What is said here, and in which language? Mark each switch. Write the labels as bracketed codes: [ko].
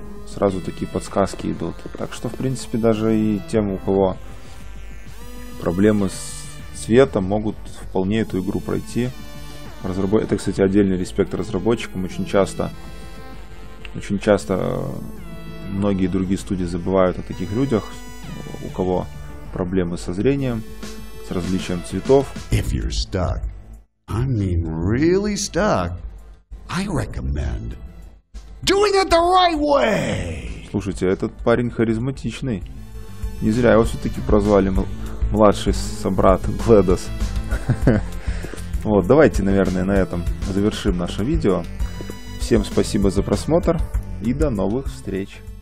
[ru] Сразу такие подсказки идут. Так что, в принципе, даже и тем, у кого проблемы с цветом, могут вполне эту игру пройти. Это, кстати, отдельный респект разработчикам. Очень часто многие другие студии забывают о таких людях, у кого проблемы со зрением, с различием цветов. [en] If you're stuck, I mean really stuck, I recommend... Doing it the right way. [ru] Слушайте, этот парень харизматичный. Не зря его все-таки прозвали младший собрат GLaDOS. Вот, давайте, наверное, на этом завершим наше видео. Всем спасибо за просмотр и до новых встреч.